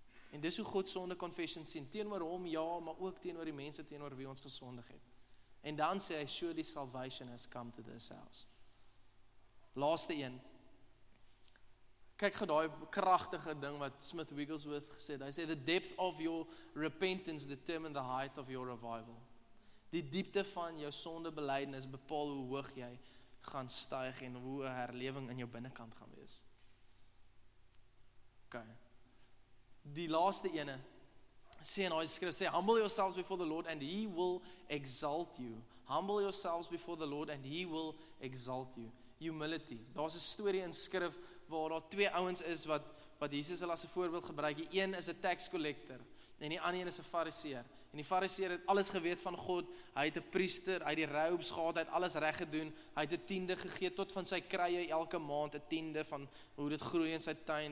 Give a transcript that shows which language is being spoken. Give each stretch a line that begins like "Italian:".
Afrikaans: en dis hoe God sonde confession sien, teenoor hom, ja, maar ook teenoor die mense, teenoor wie ons gesondig het, en dan sê hy,
English: surely salvation has come to this house,
Afrikaans: laaste een, kyk gou daai kragtige ding wat Smith Wigglesworth gesê het. Hy sê,
English: the depth of your repentance determine the height of your revival.
Afrikaans: Die diepte van jou sondebelydenis bepaal hoe hoog jy gaan styg en hoe 'n herlewing in jou binnekant gaan wees. Okay. Die laaste ene, sê in daai skrif, sê,
English: humble yourselves before the Lord and he will exalt you. Humble yourselves before the Lord and he will exalt you. humility.
Afrikaans: Daar's 'n storie in skrif waar daar twee ouens is wat Jesus hulle as 'n voorbeeld gebruik. Die een is 'n tax collector en die ander een is 'n fariseer. En die fariseer het alles geweet van God. Hy het 'n priester, hy het die robes gehad, hy het alles reg gedoen. Hy het 'n tiende gegee tot van sy kruie elke maand 'n tiende van hoe dit groei in sy tuin.